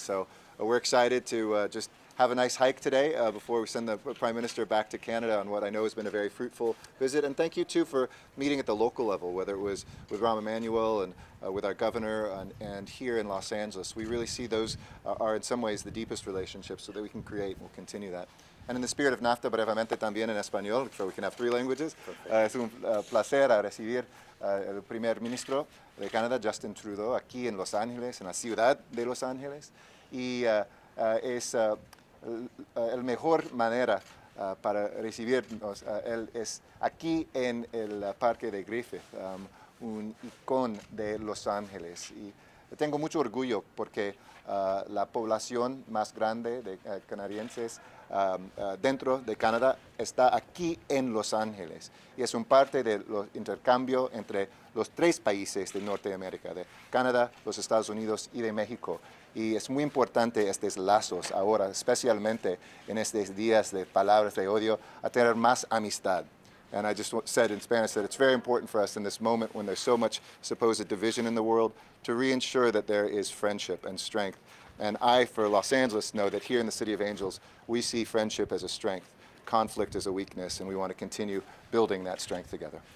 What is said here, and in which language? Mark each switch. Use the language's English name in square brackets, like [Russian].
[English] So we're excited to just have a nice hike today before we send the Prime Minister back to Canada on what I know has been a very fruitful visit. And thank you, too, for meeting at the local level, whether it was with Rahm Emanuel and with our governor and here in Los Angeles. We really see those are in some ways the deepest relationships so that we can create and we'll continue that. And in the spirit of NAFTA, [Spanish] brevemente también en español, [English] so we can have three languages. [Spanish] Es un placer a recibir el primer ministro de Canadá, Justin Trudeau, aquí en Los Ángeles, en la ciudad de Los Ángeles. Y es el mejor manera para recibirnos. Él es aquí en el parque de Griffith, un icón de Los Ángeles. Y tengo mucho orgullo porque la población más grande de canadienses dentro de Canadá está aquí en Los Ángeles y es un parte del intercambio entre los tres países de Norteamérica, de Canadá, los Estados Unidos y de México. Y es muy importante estos lazos ahora, especialmente en estos días de palabras de odio, a tener más amistad. [English] And I just said in Spanish that it's very important for us in this moment when there's so much supposed division in the world to reinsure that there is friendship and strength. And I, for Los Angeles, know that here in the City of Angels, we see friendship as a strength. Conflict is a weakness, and we want to continue building that strength together.